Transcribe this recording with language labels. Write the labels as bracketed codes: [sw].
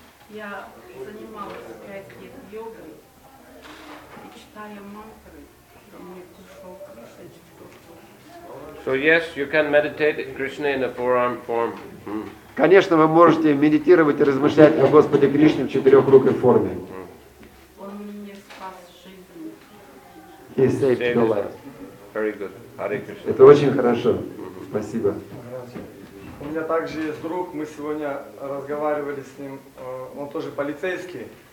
[ru] Я занималась 5 лет йогой, читая мантры, и мне пришел Кришна чуть-чуть. [en] So yes, you can meditate Krishna in a forearm form. Mm. [ru] Конечно, вы можете медитировать и размышлять о Господе Кришне в четырехрукой форме. Он мне спас жизнь. [en] He saved your life. Very good. Hare Krishna. [ru] Это очень хорошо. Mm-hmm. Спасибо. У меня также есть друг, мы сегодня разговаривали с ним, он тоже полицейский.